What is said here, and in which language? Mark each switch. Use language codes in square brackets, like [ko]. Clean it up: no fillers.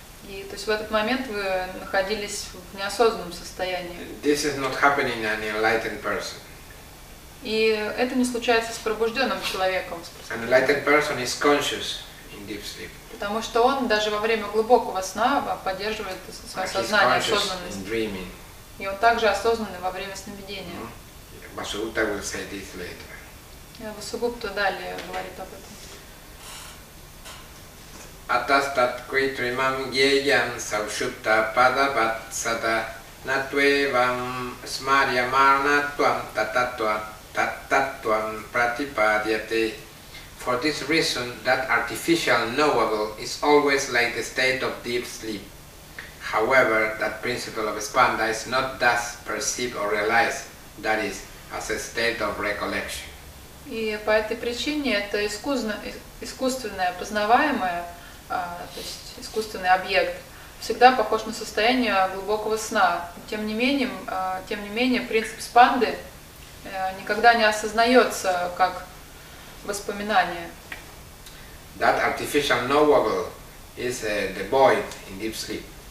[ru] И то есть в этот момент вы находились в неосознанном состоянии. [en] This is not happening in an enlightened person. [ru] И это не случается с пробужденным человеком. [en] An enlightened person is conscious in deep sleep. [ru] Потому что он даже во время глубокого сна поддерживает свое сознание, осознанность. [en] Dreaming. [ru] И он также осознанный во время сновидения. Васугупта will say this later. Васугупта далее говорит об этом. [sa] Атастат квитримам геям саушутта падабат сада натвевам смарья марна твам тататвам пратипадьяте. [en] For this reason, that artificial knowable is always like the state of deep sleep. However, that principle of spanda is not thus perceived or realized, that is, as a state of recollection. [ru] И по этой причине это искусственное познаваемое, то есть искусственный объект, всегда похож на состояние глубокого сна. Тем не менее, принцип спанды никогда не осознается как воспоминание. [en] That artificial knowable is devoid in deep sleep.